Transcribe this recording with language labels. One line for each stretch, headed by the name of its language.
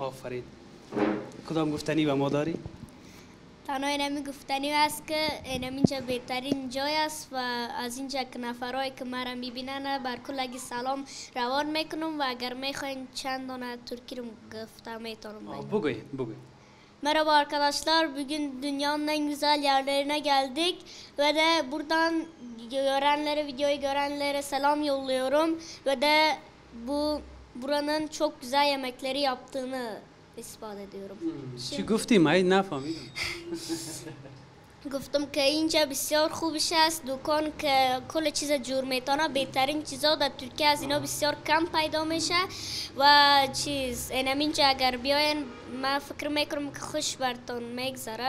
Persian: آفرین، کدام گفتنی به ما داری؟ تنها اینمی گفتنی است که اینم اینجا بهترین جای است و از اینجا که نفرهایی که ما را میبینن بر کلگی سلام روان میکنم و اگر میخواین چند دانه ترکی رو گفتم میتونم بگم. بگوی بگوی.
Turkish: Merhaba arkadaşlar, bugün dünyanın en güzel yerlerine geldik ve de buradan görenlere, videoyu görenlere selam yolluyorum ve de bu buranın çok güzel yemekleri yaptığını ispat ediyorum. Şu güftim ay ne yapayım?
Persian: گفتم که اینجا بسیار خوبش است، دوکان که کل چیز جور میتونه، بهترین چیزا در ترکیه از اینا بسیار کم پیدا میشه و چیز اینم اینجا اگر بیاین ما فکر میکرم که خوش برتون میگذره